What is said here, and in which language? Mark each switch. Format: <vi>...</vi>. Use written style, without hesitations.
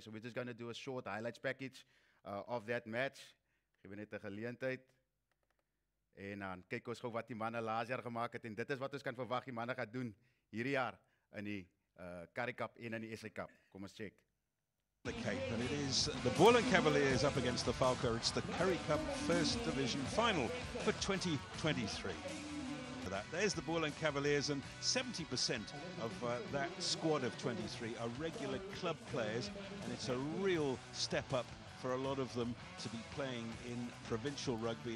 <en>So we're just going to do a short highlights package of that match.</en> <af>Gee net 'n geleentheid. En dan kyk ons gou wat die manne laas jaar gemaak het en dit is wat ons kan verwag die manne gaan doen hierdie jaar in die Currie Cup en in die SA Cup. Kom ons check.</af> <en>The Cape, and it is the Boland Cavaliers up against the Falco. It's the Currie Cup first division final for 2023. For that, there's the Boland Cavaliers, and 70% of that squad of 23 are regular club players, and it's a real step up for a lot of them to be playing in provincial rugby.</en>